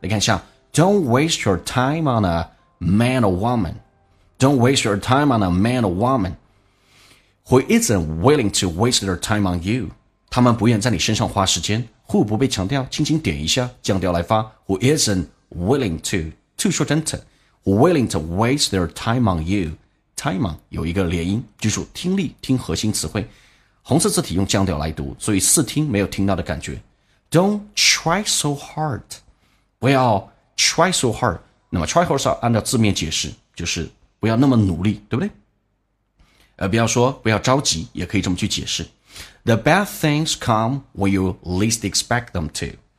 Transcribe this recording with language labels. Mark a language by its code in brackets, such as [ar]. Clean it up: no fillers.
[zh] 你看一下 [en] don't waste your time on a man or woman, don't waste your time on a man or womanWho isn't willing to waste their time on you? [zh] 他们不愿在你身上花时间。 [en] Who [zh] 不被强调，轻轻点一下，降调来发。 [en] Who isn't willing to [zh] 说成 [en] to, who willing to waste their time on you? Time on [zh] 有一个连音，记住听力听核心词汇。红色字体用降调来读，所以似听没有听到的感觉。 [en] Don't try so hard. [zh] 不要 [en] try so hard. [zh] 那么 [en] try hard [zh] 按照字面解释就是不要那么努力，对不对？不要说不要着急，也可以这么去解释。 [en] The bad things come when you least expect them to.